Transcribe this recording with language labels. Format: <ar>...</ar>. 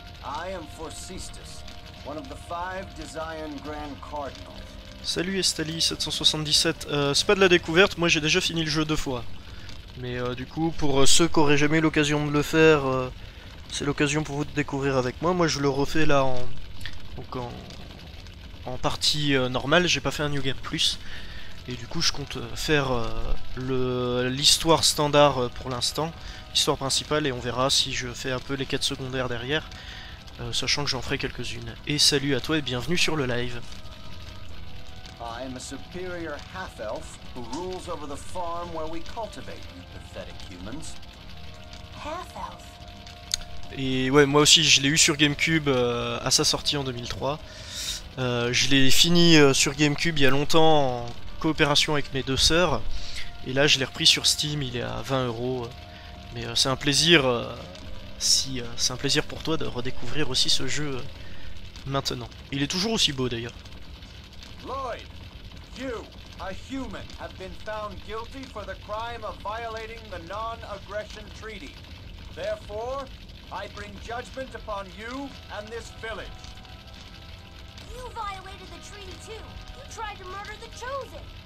<en>I am Forcestus, one of the 5 Desian Grand Cardinals.</en> <fr>Salut Estalie 777, c'est pas de la découverte, moi j'ai déjà fini le jeu 2 fois. Mais du coup, pour ceux qui auraient jamais l'occasion de le faire, c'est l'occasion pour vous de découvrir avec moi. Moi je le refais là en partie normale, j'ai pas fait un New Game Plus. Et du coup je compte faire l'histoire standard pour l'instant. histoire principale et on verra si je fais un peu les quêtes secondaires derrière, sachant que j'en ferai quelques-unes. Et salut à toi et bienvenue sur le live.</fr> <en>I am a superior half-elf who rules over the farm where we cultivate you pathetic humans. Half-elf.</en> <fr>Et ouais, moi aussi je l'ai eu sur GameCube à sa sortie en 2003. Je l'ai fini sur GameCube il y a longtemps en coopération avec mes deux sœurs. Et là je l'ai repris sur Steam, il est à 20€. Mais c'est un plaisir, c'est un plaisir pour toi de redécouvrir aussi ce jeu maintenant. Il est toujours aussi beau d'ailleurs.</fr> <en>Lloyd, you, a human, have been found guilty for the crime of violating the non-aggression treaty. Therefore, I bring judgment upon you and this village. You violated the treaty too. You tried to murder the Chosen.</en>